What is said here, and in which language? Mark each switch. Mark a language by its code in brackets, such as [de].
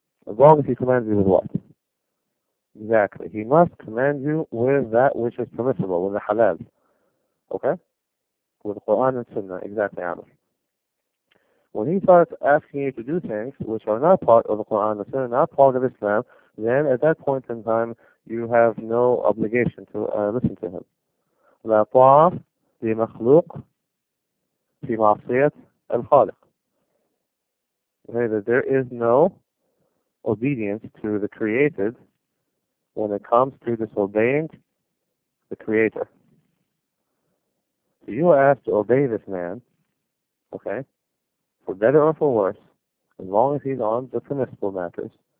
[en] As long as he commands you with what? Exactly. He must command you with that which is permissible, with the halal. Okay? With the Quran and Sunnah. Exactly, Amr. When he starts asking you to do things which are not part of the Quran and Sunnah, not part of Islam, then at that point in time, you have no obligation to listen to him. [ar] لا طاعة لمخلوق في معصية الخالق. [en] Okay, that there is no obedience to the created when it comes to disobeying the Creator. So you are asked to obey this man, okay, for better or for worse, as long as he's on the permissible matters.